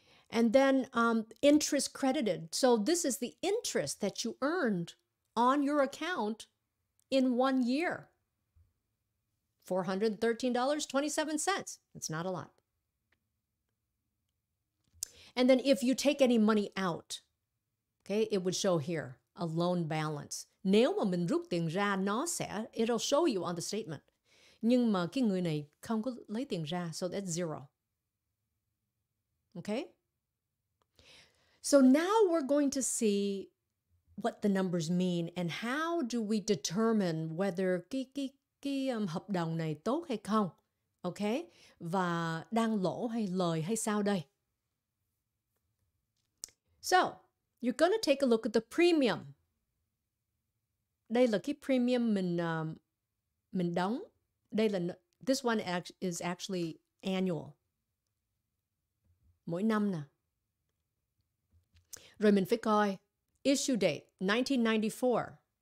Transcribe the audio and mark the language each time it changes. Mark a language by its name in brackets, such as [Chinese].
[English] And then interest credited. So this is the interest that you earned on your account in 1 year. $413.27. It's not a lot. And then if you take any money out, okay, it would show here, a loan balance. [Vietnamese] Nếu mà mình rút tiền ra, nó sẽ, [English] it'll show you on the statement. [Vietnamese] Nhưng mà cái người này không có lấy tiền ra, [English] so that's zero. Okay? So now we're going to see what the numbers mean and how do we determine whether [Vietnamese] cái hợp đồng này tốt hay không? [English] Okay? [Vietnamese] Và đang lỗ hay lời hay sao đây? [English] So, you're going to take a look at the premium. [Vietnamese] Đây là cái premium mình đóng. Đây là, [English] this one is actually annual. [Vietnamese] Mỗi năm nè. Rồi mình phải coi issue date, 1994.